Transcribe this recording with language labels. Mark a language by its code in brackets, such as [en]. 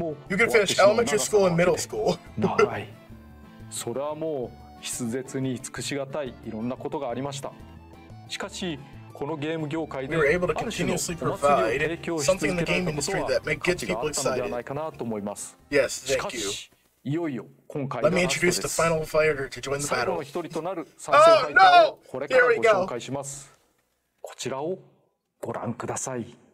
[en] You can finish elementary school and middle school. [ja] それはもう筆舌に尽くしがたいいろんなことがありました。しかし、このゲーム業界で、 [en] We were able to continuously provide something in the game industry that gets people excited. Yes, thank you. [ja] いよいよ今回 [en] Let me introduce the final fighter to join the battle. [ja] 最後の一人となる参戦ファイターをこれからご紹介します。こちらをご覧ください。